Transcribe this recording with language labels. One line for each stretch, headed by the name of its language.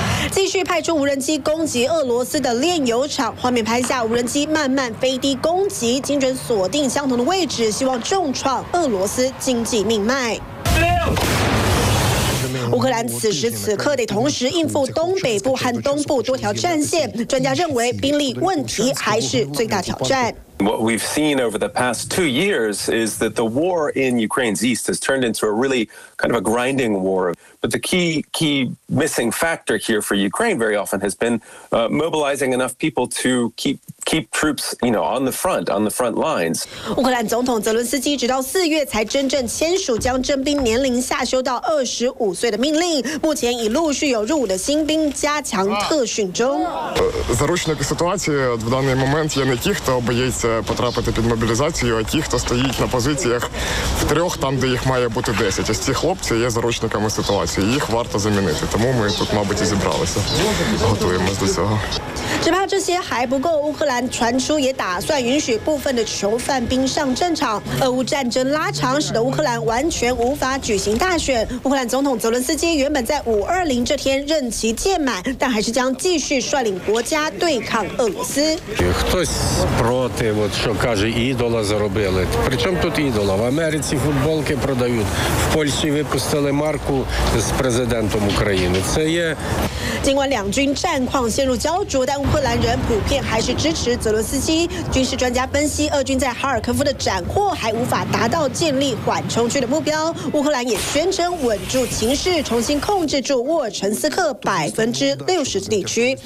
Chinese: 继续派出无人机攻击俄罗斯的炼油厂，画面拍下无人机慢慢飞低攻击，精准锁定相同的位置，希望重创俄罗斯经济命脉。乌克兰此时此刻得同时应付东北部和东部多条战线，专家认为兵力问题还是最大挑战。
English: What we've seen over the past 2 years is that the war in Ukraine's east has turned into a really kind of a grinding war. But the key missing factor here for Ukraine very often has been mobilizing enough people to keep troops, you know, on the front lines.
Chinese: 乌克兰总统泽伦斯基直到四月才真正签署将征兵年龄下修到25岁的命令，目前已陆续有入伍的新兵加强特训中。
Ukrainian: Заручники ситуації в даний момент є не ті, хто боїться потрапити під мобілізацію, а ті, хто стоїть на позиціях в трьох, там, де їх має бути 10. Ось ці хлопці є заручниками ситуації. Їх варто замінити. Тому ми тут, мабуть, і зібралися. Готуємось до цього.
Chinese: 只怕这些还不够，乌克兰传出也打算允许部分的囚犯兵上战场。俄乌战争拉长，使得乌克兰完全无法举行大选。乌克兰总统泽伦斯基原本在520这天任期届满，但还是将继续率领国家对抗俄罗斯。
Ukrainian: Що каже, ідола заробили. Причому тут ідола? В Америці футболки продають. В Польщі випустили марку з президентом України. Це є.
Chinese: 尽管两军战况陷入焦灼，但乌克兰人普遍还是支持泽伦斯基。军事专家分析，俄军在哈尔科夫的斩获还无法达到建立缓冲区的目标。乌克兰也宣称稳住情势，重新控制住沃尔陈斯克60%的地区。